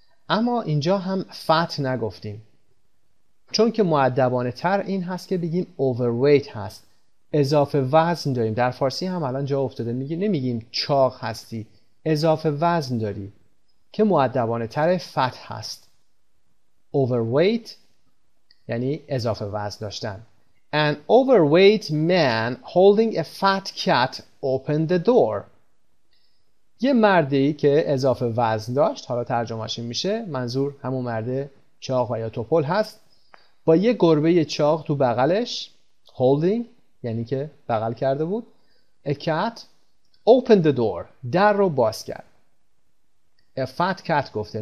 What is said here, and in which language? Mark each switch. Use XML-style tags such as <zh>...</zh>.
<fa>اما اینجا هم fat نگفتیم، چون که مؤدبانه تر این هست که بگیم overweight هست. اضافه وزن داریم. در فارسی هم الان جا افتاده، نمیگیم چاق هستی، اضافه وزن داری، که مؤدبانه تر fat هست. overweight یعنی اضافه وزن داشتن.</fa> <en>An overweight man holding a fat cat opened the door.</en> <fa>یه مردی که اضافه وزن داشت، حالا ترجمهش میشه، منظور همون مرد چاق و یا توپل هست، با یه گربه چاق تو بغلش، holding یعنی که بغل کرده بود،</fa> <en>a cat opened the door.</en> <fa>در رو باز کرد.</fa> <en>A fat cat</en> <fa>گفته.</fa>